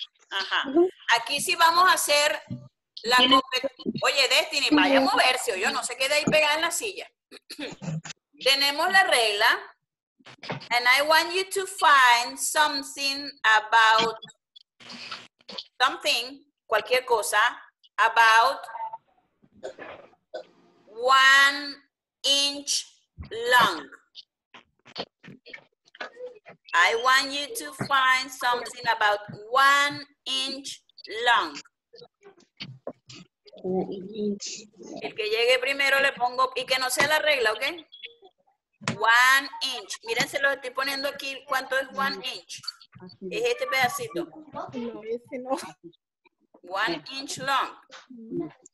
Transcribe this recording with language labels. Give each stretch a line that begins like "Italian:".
Spanish: Ajá. Aquí sí vamos a hacer la competencia. Oye, Destiny, vaya a moverse, o yo no se quede ahí pegada en la silla. Tenemos la regla.
English: And I want you to find something about something,
Spanish: cualquier cosa,
English: about 1 inch long. I want you to find something about 1 inch long.
Spanish: El que llegue primero le pongo, y que no sea la regla, ¿ok? 1 inch. Miren, se los estoy poniendo aquí. ¿Cuánto es 1 inch? Es este pedacito. No, ese no.
English: 1 inch long.